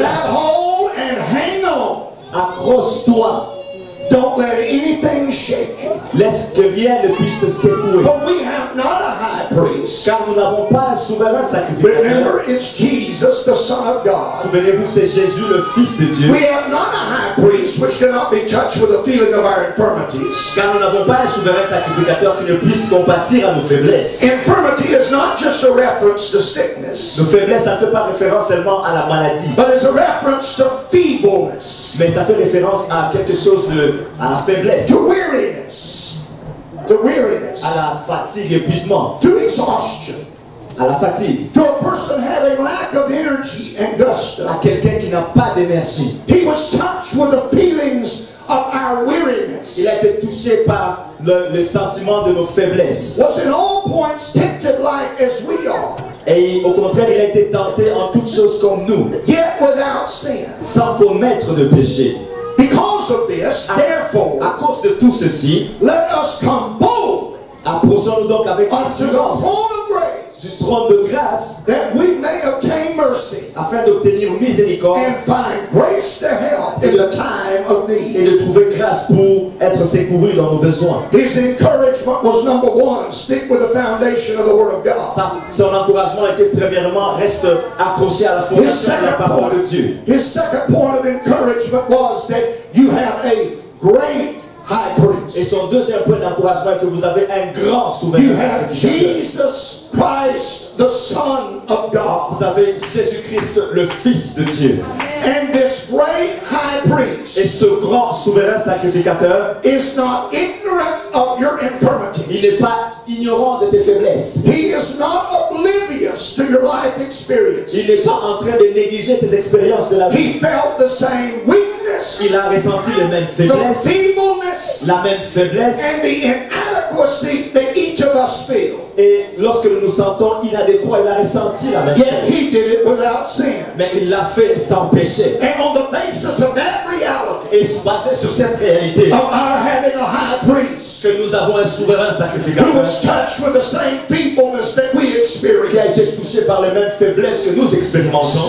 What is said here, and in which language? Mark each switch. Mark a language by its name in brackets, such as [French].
[English] Let hold and hang on. [French] Accroche-toi. [English] Don't let anything shake you. [French] Laisse que rien ne puisse te secouer. [English] For we have not a high priest. [French] Car nous n'avons pas un souverain sacrificateur. [English] Remember, it's Jesus, the Son of God. [French] Souvenez-vous que c'est Jésus, le Fils de Dieu. [English] We have not a high priest which cannot be touched with the feeling of our infirmities. [French] Car nous n'avons pas un souverain sacrificateur qui ne puisse compatir à nos faiblesses. [English] Infirmity is not just a reference to sickness. [French] Nos faiblesses, ça ne fait pas référence seulement à la maladie. [English] But it's a reference to feebleness. [French] Mais ça fait référence à quelque chose de à la faiblesse. [English] To weariness. To weariness. [French] À la fatigue, l'épuisement. [English] To exhaustion. [French] À la fatigue. [English] To a person having lack of energy and gusto. [French] À quelqu'un qui n'a pas d'énergie. [English] He was touched with the feelings of our weariness. [French] Il a été touché par le sentiment de nos faiblesses. [English] Was in all points tempted like as we are. [French] Et au contraire, il a été tenté en toutes choses comme nous. [English] Yet without sin. [French] Sans commettre de péché. [English] Because of this, therefore, [French] à cause de tout ceci, [English] let us come boldly. [French] Approchons-nous donc avec [English] unto the throne of grace, [French] du trône de grâce, [English] that we may obtain mercy, [French] afin d'obtenir miséricorde, [English] and find grace to help in the time of need, [French] et de trouver grâce pour être secouru dans nos besoins. [English] His encouragement was number one: stick with the foundation of the Word of God. [French] Son encouragement était premièrement reste accroché à la fondation de la parole de Dieu. [English] His second point of encouragement was that you have a great high priest. [French] Et son deuxième point d'encouragement que vous avez un grand souverain. [English] You have Jesus Christ, the Son of God. [French] Vous avez Jésus-Christ, le Fils de Dieu. Amen. [English] And this great high priest. [French] Et ce grand souverain sacrificateur [English] is not ignorant of your infirmities. [French] Il n'est pas ignorant de tes faiblesses. [English] He is not oblivious to your life experience. [French] Il n'est pas en train de négliger tes expériences de la vie. [English] He felt the same weakness. [French] Il a ressenti les mêmes faiblesses. [English] The feebleness. [French] La même faiblesse. [English] And the inadequacy that each of make us feel. [French] Et lorsque nous nous sentons inadéquats, il a ressenti la même [English] chose. He did it without sin. [French] Mais il l'a fait sans péché. [English] And on the basis of that reality, [French] et basé sur cette réalité, [English] of our having a high priest, [French] que nous avons un souverain sacrificateur, [English] who was touched with the same feebleness that we experienced, [French] qui a été touché par les mêmes faiblesses que nous expérimentons.